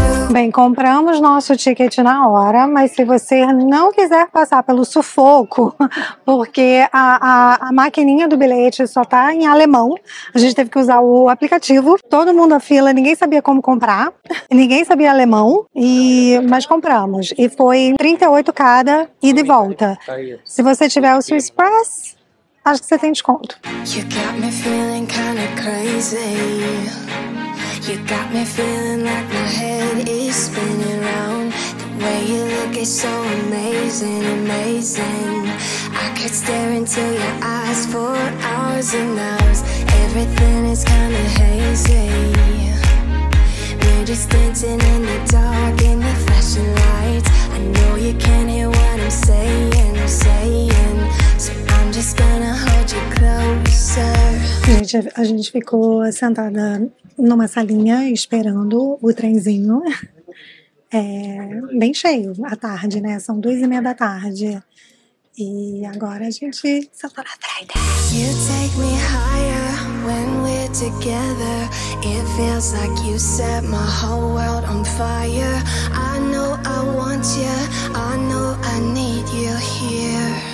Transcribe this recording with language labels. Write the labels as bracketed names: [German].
[Portuguese] Bem, compramos nosso ticket na hora, mas se você não quiser passar pelo sufoco, porque a maquininha do bilhete só tá em alemão, a gente teve que usar o aplicativo, todo mundo à fila, ninguém sabia como comprar, ninguém sabia alemão, mas compramos. E foi 38 cada, ida e volta. Se você tiver o Swiss Press, acho que você tem desconto. [English] You got me feeling kinda crazy. You got me feeling like my head is spinning round. The way you look is so amazing, amazing. I could stare into your eyes for hours and hours. Everything is kinda hazy. We're just dancing in the dark in the flashing lights. I know you can't hear what I'm saying, I'm saying. So I'm just gonna hold you closer. [Portuguese] A gente ficou sentada numa salinha esperando o trenzinho, bem cheio à tarde, né? São 2:30 da tarde. E agora a gente senta na trilha. [English] You take me higher when we're together. It feels like you set my whole world on fire. I know I want you, I know I need you here.